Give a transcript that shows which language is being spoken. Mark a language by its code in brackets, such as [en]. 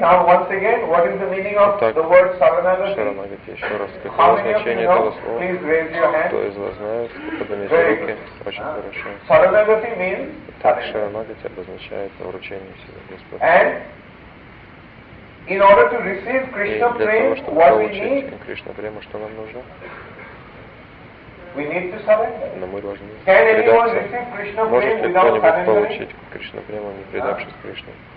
[en] Now once again, what is the meaning of the word Saranagati? [ru] Шаранагати. Еще раз, какое значение этого слова? [en] Please raise your hand. [ru] Кто из вас знает? Поднимите руки. Очень хорошо. [en] Saranagati means. [ru] Так, Шаранагати обозначает вручение себе Господу. [en] And in order to receive Krishna prema, what we need? [ru] Для того, чтобы получить Кришна према, что нам нужно? [en] We need to surrender. [ru] Но мы должны. [en] Can anyone receive Krishna prema without surrendering? [ru] Может ли кто-нибудь получить Кришна према, не предавшись Кришне?